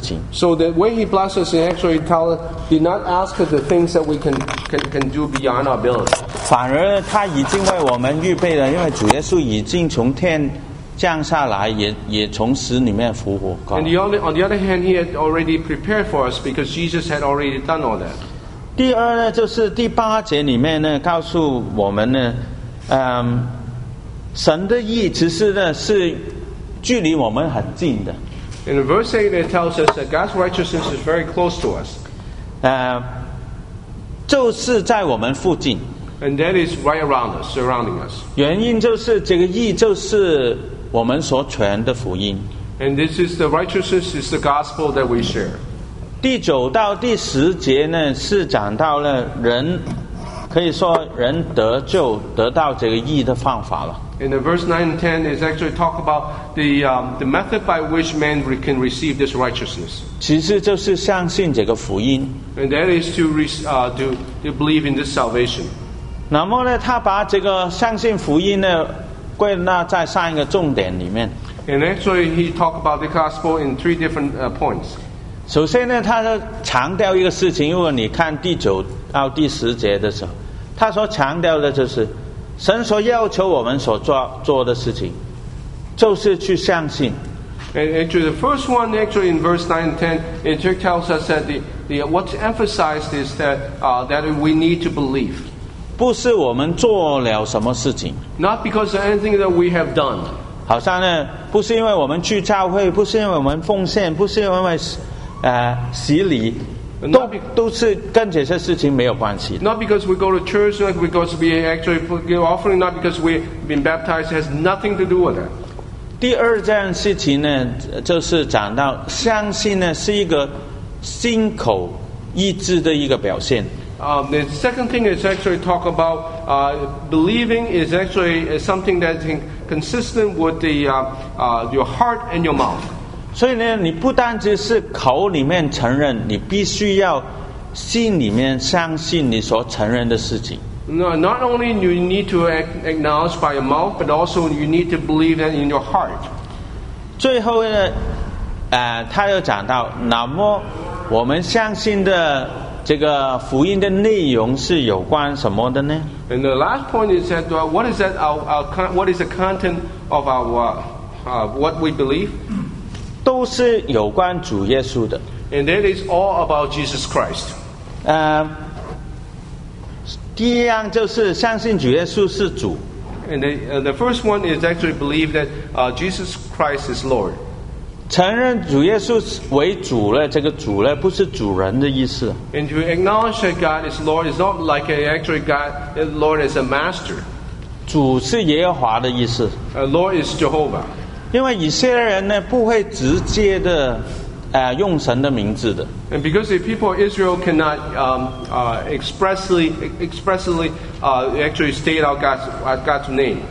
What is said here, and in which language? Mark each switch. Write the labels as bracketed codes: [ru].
[en] So the way he blessed us, he actually did not ask us the things that we can do beyond our ability. [zh] 反而他已经为我们预备了，因为主耶稣已经从天降下来，也从死里面复活。 [en] And on the other hand, he had already prepared for us because Jesus had already done all that. [zh] 第二呢，就是第八节里面呢，告诉我们呢，神的意其实呢是距离我们很近的。 [en] In verse 8, it tells us that God's righteousness is very close to us. [zh] 就是在我们附近。 [en] And that is right around us, surrounding us. [zh] 原因就是这个义就是我们所传的福音。 [en] And this is the righteousness is the gospel that we share. [zh] 第九到第十节呢是讲到了人可以说人得救得到这个义的方法了。 [en] In the verse 9 and 10, it's actually talk about the method by which man can receive this righteousness. [zh] 其实就是相信这个福音。 [en] And that is to believe in this salvation. [zh] 那么呢，他把这个相信福音呢，归纳在上一个重点里面。 [en] And actually, he talked about the gospel in three different points. [zh] 首先呢，他强调一个事情，如果你看第九到第十节的时候，他所强调的就是神所要求我们所 做的事情就是去相信。 [en] And actually the first one actually in verse 9 and 10 it tells us that the what's emphasized is that we need to believe. [zh] 不是我们做了什么事情。 [en] Not because of anything that we have done. [zh] 好像呢不是因为我们去教会不是因为我们奉献不是因为洗礼都是跟这些事情没有关系的。 [en] Not because we go to church, not because we actually give offering, not because we've been baptized, has nothing to do with that. [zh] 第二件事情呢，就是讲到相信呢是一个心口意志的一个表现。 [en] The second thing is actually talk about believing is actually something that is consistent with your heart and your mouth. [zh] 所以呢，你不单只是口里面承认，你必须要心里面相信你所承认的事情。 [en] No, not only you need to acknowledge by your mouth, but also you need to believe that in your heart. [zh] 最后呢，他又讲到，那么我们相信的这个福音的内容是有关什么的呢 [en] ？And the last point is that what is that our what is the content of our what we believe? [zh] 都是有关主耶稣的。 [en] And that is all about Jesus Christ. [zh] 第一样就是相信主耶稣是主。 [en] And the first one is actually believe that Jesus Christ is Lord. [zh] 承认主耶稣为主了，这个主了不是主人的意思。 [en] And to acknowledge that God is Lord is not like actually God Lord is a master. [zh] 主是耶和华的意思。 [en] Lord is Jehovah. [zh] 因为以色列人呢不会直接的用神的名字的。 [en] And because the people of Israel cannot expressly actually state out God's name.